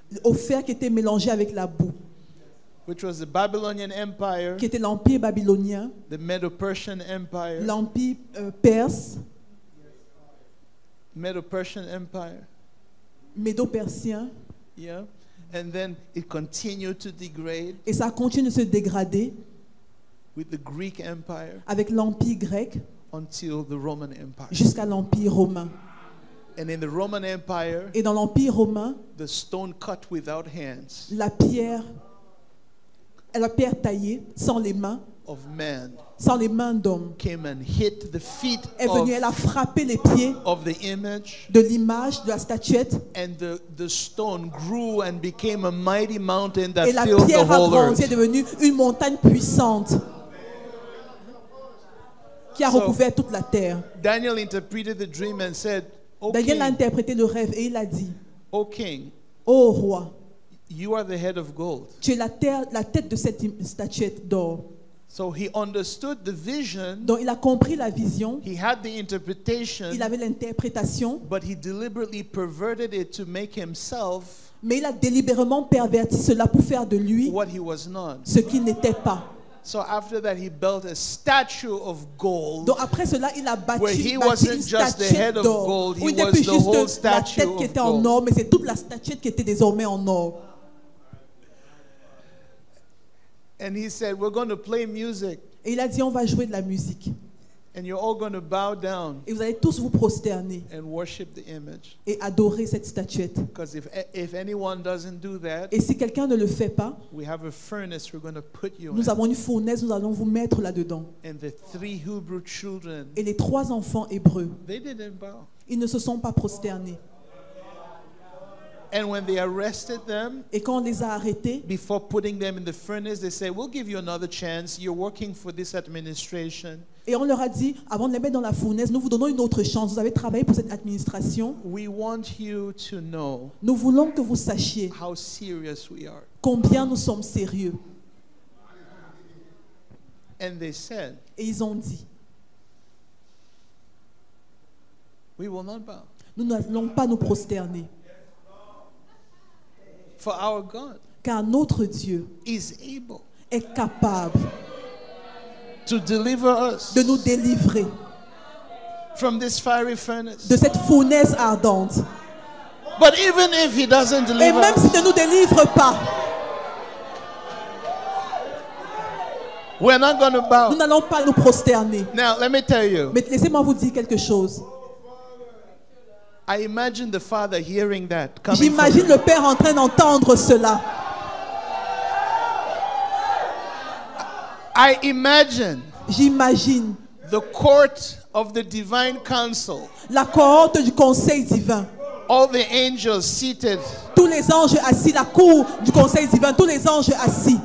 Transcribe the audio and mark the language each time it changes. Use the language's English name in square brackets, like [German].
[French] Au fer qui était mélangé avec la boue. [English] Which was the Babylonian Empire. [French] Qui était l'empire babylonien. [English] The Medo-Persian Empire. [French] L'empire perse. [English] Medo-Persian Empire. [French] Médo-Persien. Yeah. [English] And then it continued to degrade. [French] Et ça continue de se dégrader. [English] With the Greek Empire. [French] Avec l'empire grec. [English] Until the Roman Empire. [French] Jusqu'à l'empire romain. [English] And in the Roman Empire, [French] et dans l'Empire romain, [English] the stone cut without hands, [French] la pierre taillée sans les mains, [English] of man, [French] sans les mains d'homme, [English] came and hit the feet [French] est venue, [English] of, [French] elle a frappé les pieds [English] of the image, [French] de l'image, de la statuette, [English] and the stone grew and became a mighty mountain that filled the whole [French] earth. Et la pierre a grandi et est devenue une montagne puissante. Qui a recouvert toute la terre. [English] Daniel interpreted the dream and said, [French] Daniel a interprété le rêve et il a dit, [English] O king, [French] O roi, [English] you are the head of gold. [French] Tu es la tête de cette statuette d'or. [English] So he understood the vision. [French] Donc il a compris la vision. [English] He had the interpretation. [French] Il avait l'interprétation. [English] But he deliberately perverted it to make himself. [French] Mais il a délibérément perverti cela pour faire de lui [English] what he was not. [French] Ce qu'il n'était pas. [English] So after that, he built a statue of gold. [French] Donc après cela, il a bâti, [English] where he wasn't just the head of gold, he was the whole statue of gold. [French] Était en or, mais c'est toute la statuette qui était désormais en or. [English] And he said, "We're going to play music." [French] Et il a dit, on va jouer de la musique. [English] And you're all going to bow down. [French] Et vous allez tous vous prosterner. [English] And worship the image. [French] Et adorer cette statuette. [English] Because if anyone doesn't do that, [French] et si quelqu'un ne le fait pas, [English] we have a furnace we're going to put you [French] nous [English] in. [French] Avons une fournaise, nous allons vous mettre là-dedans. [English] And the three Hebrew children, [French] et les trois enfants hébreux, [English] they didn't bow. [French] Ils ne se sont pas prosternés. [English] And when they arrested them, [French] et quand on les a arrêtés, [English] before putting them in the furnace, they said, "We'll give you another chance. You're working for this administration." [French] Et on leur a dit, avant de les mettre dans la fournaise, nous vous donnons une autre chance. Vous avez travaillé pour cette administration. [English] We want you to know, [French] nous voulons que vous sachiez [English] how serious we are. [French] Combien nous sommes sérieux. [English] And they said, [French] et ils ont dit, [English] we will not bow. [French] Nous n'allons pas nous prosterner. [English] For our God, [French] car notre Dieu [English] is able, [French] est capable [English] to deliver us, [French] de nous délivrer [English] from this fiery furnace, [French] de cette fournaise ardente. [English] But even if he doesn't deliver, [French] et même s'il ne nous délivre pas, [English] we're not going to bow. [French] Nous n'allons pas nous prosterner. [English] Now, let me tell you, [French] mais laissez-moi vous dire quelque chose. [English] I imagine the father hearing that coming. [French] J'imagine le père en train d'entendre cela. [English] I imagine. [French] J'imagine [English] the court of the divine council. [French] La cohorte du conseil divin. [English] All the angels seated. [French] Tous les anges assis, la cour du conseil divin, tous les anges assis.